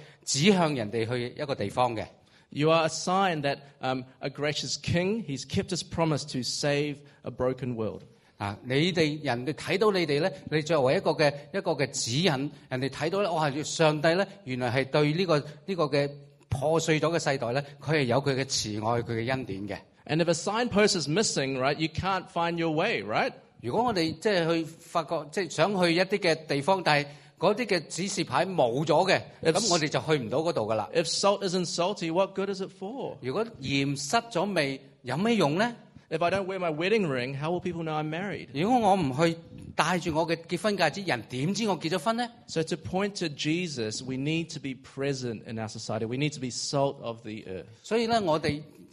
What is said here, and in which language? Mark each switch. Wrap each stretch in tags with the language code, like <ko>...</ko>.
<zh>所以当耶稣说你们是好像盐一样,就是好像这个世界上面一些的指示牌,指向人家去一个地方的。</zh> <en>You are a sign that a gracious king, he's kept his promise to save a broken world.</en> <zh>你們看到你們,你作為一個指引,人家看到上帝原來是對這個破碎了的世代,他是有他的慈愛,他的恩典的。</zh> <en>And if a signpost is missing, right, you can't find your way, right?</en> <zh>如果我們想去一些地方, 那些指示牌沒有了,那我們就去不了那裡了。</zh> <en>If salt isn't salty, what good is it for?</en> <zh>如果鹽失了味,有什麼用呢?</zh> <en>If I don't wear my wedding ring, how will people know I'm married?</en> <zh>如果我不去戴著我的結婚戒指,人怎知道我結婚呢?</zh> <en>So to point to Jesus, we need to be present in our society. We need to be salt of the earth.</en>